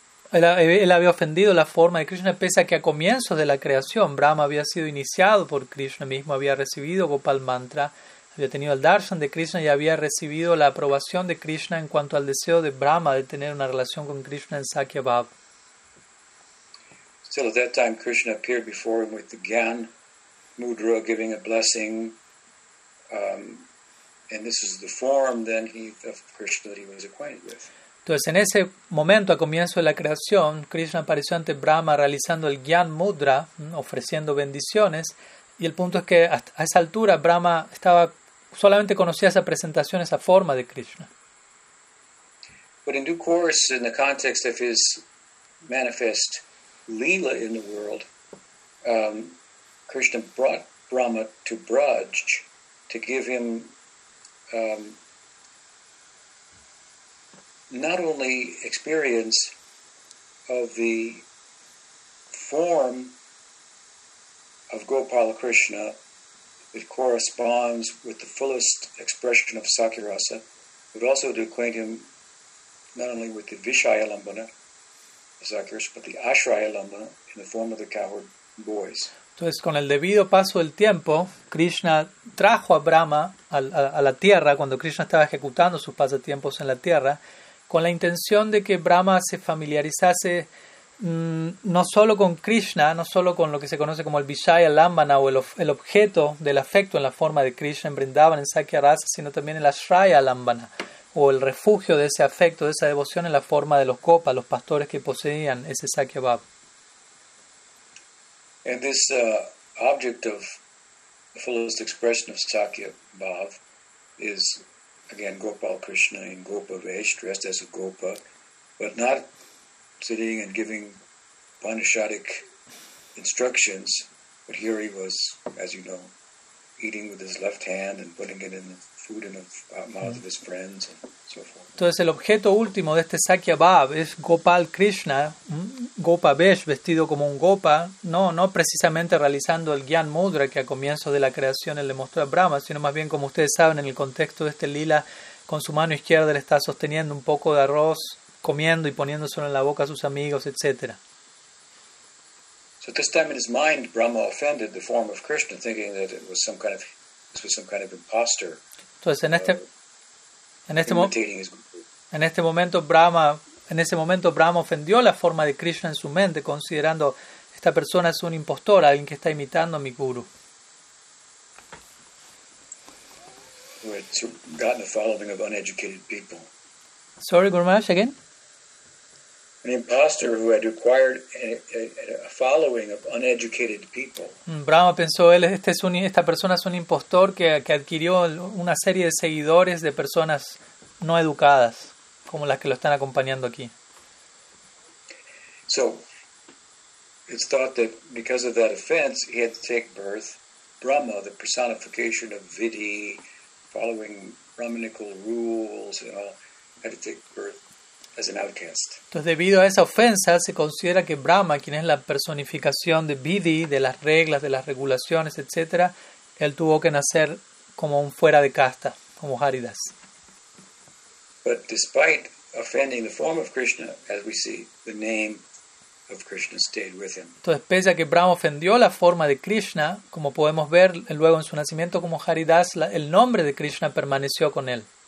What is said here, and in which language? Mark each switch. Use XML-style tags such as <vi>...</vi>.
<es>Él había ofendido la forma de Krishna, pese a que a comienzos de la creación Brahma había sido iniciado por Krishna mismo, había recibido Gopal Mantra, había tenido el darshan de Krishna y había recibido la aprobación de Krishna en cuanto al deseo de Brahma de tener una relación con Krishna en Sakyabhav.</es> <en>Still at that time Krishna appeared before him with the Gyan Mudra giving a blessing, and this is the form then of Krishna that he was acquainted with.</en> <es>Entonces, en ese momento, a comienzo de la creación, Krishna apareció ante Brahma realizando el Gyan Mudra, ofreciendo bendiciones. Y el punto es que a esa altura, Brahma solamente conocía esa presentación, esa forma de Krishna.</es> <en>But in due course, in the context of his manifest Leela in the world, Krishna brought Brahma to Braj to give him not only experience of the form of Gopala Krishna that corresponds with the fullest expression of Sakyarasa, but also to acquaint him not only with the Vishaya Lambana, the Sakyarasa, but the Ashraya Lambana in the form of the cowherd boys.</en> <es>Entonces, con el debido paso del tiempo, Krishna trajo a Brahma a la tierra, cuando Krishna estaba ejecutando sus pasatiempos en la tierra, con la intención de que Brahma se familiarizase no solo con Krishna, no solo con lo que se conoce como el Vishaya Lambana o el objeto del afecto en la forma de Krishna en Vrindavan, en Sakya Rasa, sino también el Ashraya Lambana o el refugio de ese afecto, de esa devoción en la forma de los Gopas, los pastores que poseían ese Sakya Bhav.</es> <en>And this object of the fullest expression of Sakya Bhav is again, Gopal Krishna in Gopa Vesh, dressed as a Gopa, but not sitting and giving Upanishadic instructions, but here he was, as you know, eating with his left hand and putting it in the food in the mouth of his friends and so forth.</en> <es>Entonces, el objeto último de este Sakya Bhav es Gopal Krishna, Gopa Vesh, vestido como un Gopa, no precisamente realizando el Gyan Mudra que a comienzos de la creación él le mostró a Brahma, sino más bien, como ustedes saben, en el contexto de este lila, con su mano izquierda le está sosteniendo un poco de arroz, comiendo y poniéndoselo en la boca a sus amigos, etc.</es> <en>So at this time in his mind, Brahma offended the form of Krishna, thinking that it was some kind of, this was some kind of imposter.</en> <es>Entonces, en este momento, Brahma En ese momento Brahma ofendió la forma de Krishna en su mente, considerando esta persona es un impostor, alguien que está imitando a mi guru.</es> <en>Who had gotten a following of uneducated people. Sorry, Guru Maharaj, again? An impostor who had acquired a following of uneducated people.</en> <es>Brahma pensó, esta persona es un impostor que adquirió una serie de seguidores de personas no educadas, como las que lo están acompañando aquí.</es> <en>So, it's thought that because of that offense, he had to take birth, Brahma, the personification of Vidhi, following Brahminical rules and all, had to take birth as an outcast.</en> <es>Entonces, debido a esa ofensa, se considera que Brahma, quien es la personificación de Vidhi, de las reglas, de las regulaciones, etc., él tuvo que nacer como un fuera de casta, como Haridas.</es> <en>But despite offending the form of Krishna, as we see, the name of Krishna stayed with him.</en> <es>Entonces, pese a que Brahma ofendió la forma de Krishna, como podemos ver luego en su nacimiento como Haridas, el nombre de Krishna permaneció con él.</es>